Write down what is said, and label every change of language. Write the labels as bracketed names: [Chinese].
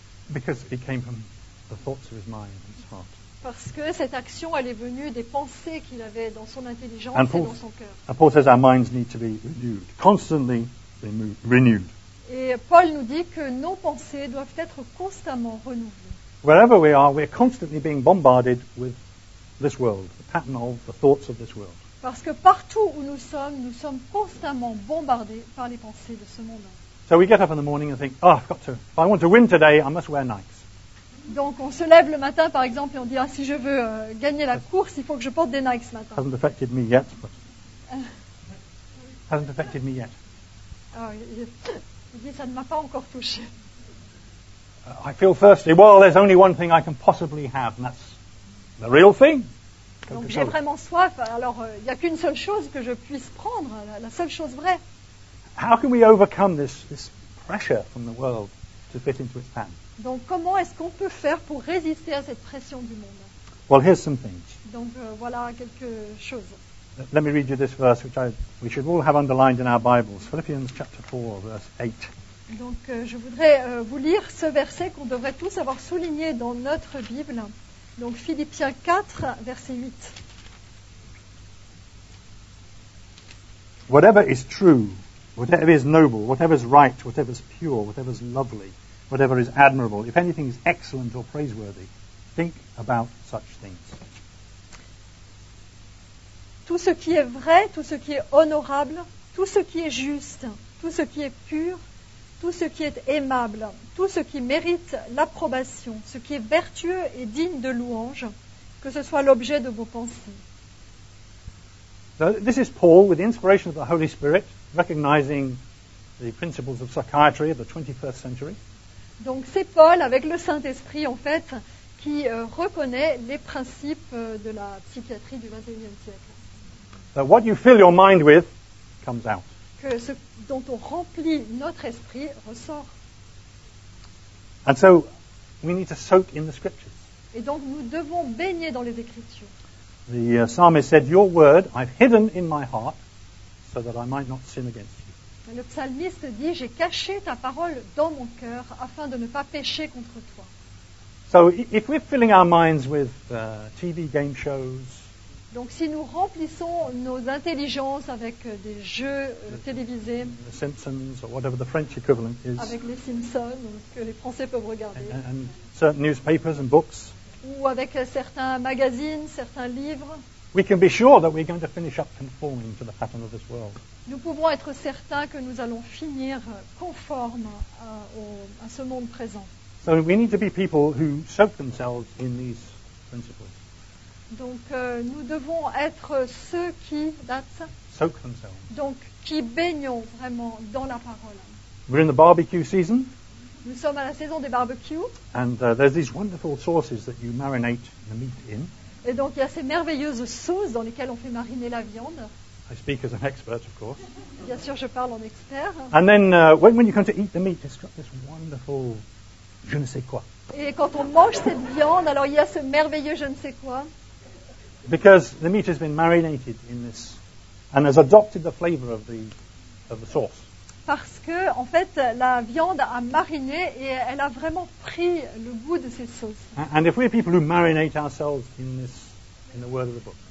[English] Because it came from the thoughts of his mind and his heart. [French] Parce que cette action, elle est venue des pensées qu'il avait dans son intelligence et dans son cœur. [English] And Paul says our minds need to be renewed, constantly renewed. [French] Et Paul nous dit que nos pensées doivent être constamment renouvelées. [English] Wherever we are, we're constantly being bombarded with this world, the pattern of the thoughts of this world. [French] Parce que partout où nous sommes constamment bombardés par les pensées de ce monde. [English] So we get up in the morning and think, oh, I've got to, if I want to win today, I must wear Nike. [French] Donc on se lève le matin, par exemple, et on dit, ah, si je veux gagner la course, il faut que je porte des Nike ce matin. [English] Hasn't affected me yet, but... hasn't affected me yet. [French] Oh, il dit, ça ne m'a pas encore touché. [English] I feel thirsty. Well, there's only one thing I can possibly have, and that's the real thing. [French] Donc j'ai vraiment soif, alors il n'y a qu'une seule chose que je puisse prendre, la seule chose vraie. [English] How can we overcome this pressure from the world to fit into its pattern? [French] Donc comment est-ce qu'on peut faire pour résister à cette pression du monde? [English] Well, here's some things. [French] Donc voilà quelques choses. [English] Let me read you this verse which we should all have underlined in our Bibles. Philippians chapter 4 verse 8. [French] Donc je voudrais vous lire ce verset qu'on devrait tous avoir souligné dans notre Bible. Donc Philippiens 4 verset 8. [English] Whatever is true, whatever is noble, whatever is right, whatever is pure, whatever is lovely, whatever is admirable, if anything is excellent or praiseworthy, think about such things. [French] Tout ce qui est vrai, tout ce qui est honorable, tout ce qui est juste, tout ce qui est pur, tout ce qui est aimable, tout ce qui mérite l'approbation, ce qui est vertueux et digne de louange, que ce soit l'objet de vos pensées. [English] So this is Paul with the inspiration of the Holy Spirit. Recognizing the principles of psychiatry of the 21st century. [French] Donc c'est Paul avec le Saint-Esprit en fait qui reconnaît les principes de la psychiatrie du 21e siècle. [English] That what you fill your mind with comes out. [French] Que ce dont on remplit notre esprit ressort. [English] And so we need to soak in the scriptures. [French] Et donc nous devons baigner dans les écritures. [English] The psalmist said, "Your word I've hidden in my heart." So that I might not sin against you. [French] Le psalmiste dit, j'ai caché ta parole dans mon cœur afin de ne pas pécher contre toi. [English] So if we're filling our minds with TV game shows. [French] Donc si nous remplissons nos intelligences avec des jeux télévisés. [English] The Simpsons or whatever the French equivalent is. [French] Avec les Simpsons que les Français peuvent regarder. [English] And certain newspapers and books. [French] Ou avec certains magazines, certains livres. [English] We can be sure that we're going to finish up conforming to the pattern of this world. [French] Nous pouvons être certains que nous allons finir conformes à ce monde présent. [English] So we need to be people who soak themselves in these principles. [French] Donc nous devons être ceux qui [English] soak themselves. [French] Donc qui baignons vraiment dans la parole. [English] We're in the barbecue season. [French] Nous sommes à la saison des barbecues. [English] And there's these wonderful sauces that you marinate the meat in. [French] Et donc il y a ces merveilleuses sauces dans lesquelles on fait mariner la viande. [English] I speak as an expert, of course. [French] Bien sûr, je parle en expert. [English] And then when you come to eat the meat, it's got this wonderful je ne sais quoi. [French] Et quand on mange cette viande, alors il y a ce merveilleux je ne sais quoi. [English] Because the meat has been marinated in this and has adopted the flavor of the sauce. [French] Parce que, en fait, la viande a mariné et elle a vraiment pris le goût de ces sauces. [English] And if we're people who marinate ourselves in this, in the word of the book.